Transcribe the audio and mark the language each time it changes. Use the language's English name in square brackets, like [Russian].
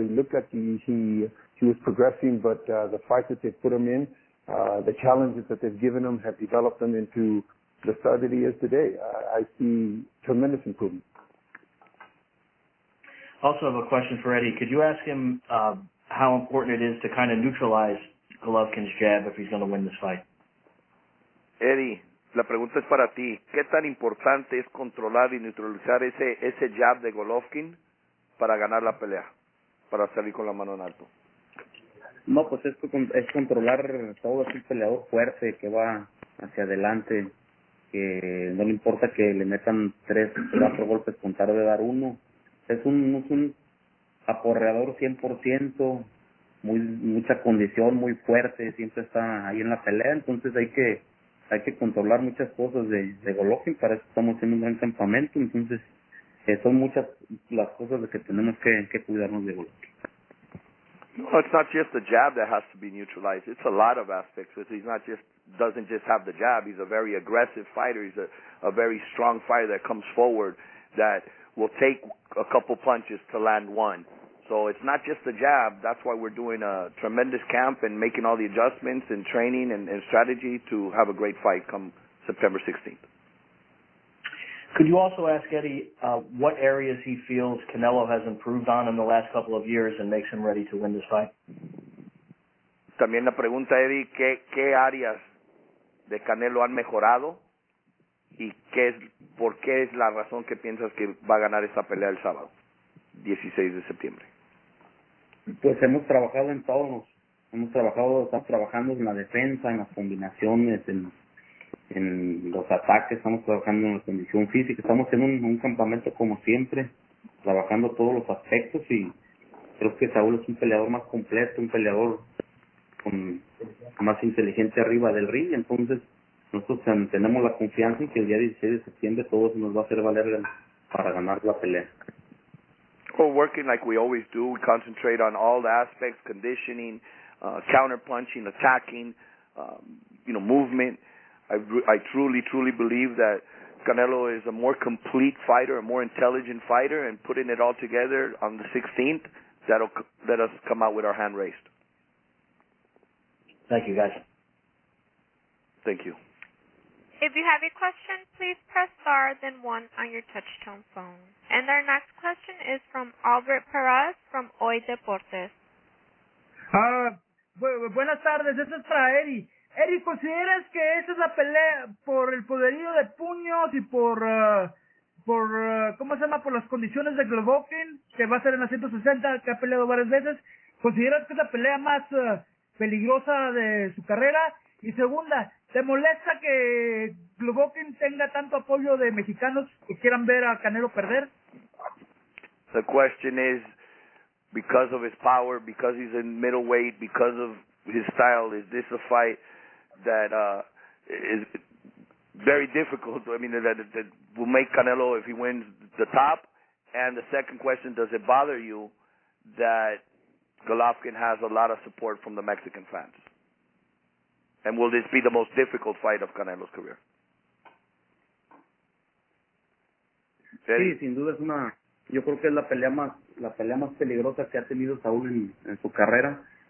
[English] He looked like he was progressing, but the fights that they've put him in, the challenges that they've given him have developed him into the star that he is today. I see tremendous improvement. Also have a question for Eddie. Could you ask him how important it is to kind of neutralize Golovkin's jab if he's going to win this fight? [Spanish] Eddie, la pregunta es para ti. ¿Qué tan importante es controlar y neutralizar ese jab de Golovkin para ganar la pelea, para salir con la mano en alto? No, pues es controlar todo ese peleador fuerte que va hacia adelante, que no le importa que le metan 3 o 4 golpes con tarde de dar uno. Es un aporreador 100%. Mucha condición, muy fuerte, siempre está ahí en la pelea, entonces hay que controlar muchas cosas de Golovkin. Para eso estamos en un gran campamento, entonces son muchas las cosas de que tenemos que cuidarnos de Golovkin. [English] No, it's not just the jab that has to be neutralized, it's a lot of aspects. He's not just, doesn't just have the jab, he's a very aggressive fighter, he's a very strong fighter that comes forward that will take a couple punches to land one. So it's not just the jab. That's why we're doing a tremendous camp and making all the adjustments and training and strategy to have a great fight come September 16th. Could you also ask Eddie what areas he feels Canelo has improved on in the last couple of years and makes him ready to win this fight? [Spanish] También la pregunta, Eddie, ¿qué áreas de Canelo han mejorado y por qué es la razón que piensas que va a ganar esta pelea el sábado, 16 de septiembre? Pues hemos trabajado en todos, estamos trabajando en la defensa, en las combinaciones, en los ataques, estamos trabajando en la condición física, estamos en un campamento como siempre, trabajando todos los aspectos, y creo que Saúl es un peleador más completo, un peleador con más inteligente arriba del ring. Entonces nosotros tenemos la confianza en que el día 16 de septiembre todos nos va a hacer valer para ganar la pelea. [English] Well, working like we always do, we concentrate on all the aspects, conditioning, counter-punching, attacking, you know, movement. I truly, truly believe that Canelo is a more complete fighter, a more intelligent fighter, and putting it all together on the 16th, that'll let us come out with our hand raised. Thank you, guys. Thank you. If you have a question, please press star, then one on your touch-tone phone. And our next question is from Albert Perez from Hoy Deportes. [Spanish] Buenas tardes. Esto es para Eddie. Eddie, ¿consideras que esa es la pelea por el poderío de puños y por las condiciones de Golovkin, que va a ser en la 160, que ha peleado varias veces? ¿Consideras que es la pelea más peligrosa de su carrera? Y segunda, ¿te molesta que Golovkin tenga tanto apoyo de mexicanos que quieran ver a Canelo perder? [English] The question is, because of his power, because he's in middleweight, because of his style, is this a fight that is very difficult? I mean, that will make Canelo, if he wins, the top? And the second question, does it bother you that Golovkin has a lot of support from the Mexican fans? And will this be the most difficult fight of Canelo's career? [Spanish] Sí, sin duda es una. Yo creo que es la pelea más peligrosa que ha tenido Saúl en su carrera.